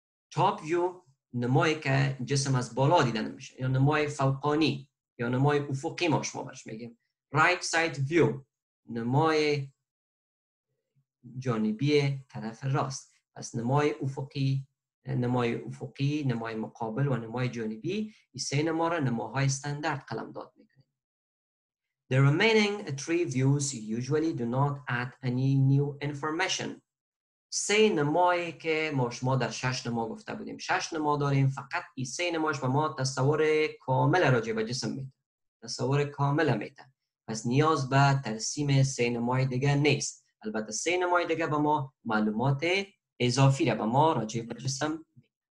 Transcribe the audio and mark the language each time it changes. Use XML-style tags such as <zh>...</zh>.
<en>top view</en> <fa>نمایی که جسم از بالا دیدن میشه یا نمای فوقانی یا نمای افقی ما شما برش میگیم.</fa> <en>right side view</en> <fa>نمای جانبی طرف راست. پس نمای افقی، نمای افقی، نمای مقابل و نمای جانبی این سه نما را نماهای استاندارد قلم داد میکنیم.</fa> <en>The remaining three views usually do not add any new information.</en> <fa>سه نمایی که ما شما در شش نما گفته بودیم، شش نما داریم، فقط این سه نماش با ما تصور کامل راجع به جسم میده، تصور کامل میده. پس نیاز به ترسیم سه نمای دیگه نیست. البته سه نمای دیگه با ما معلومات اضافی را به ما راجع به جسم میده.</fa>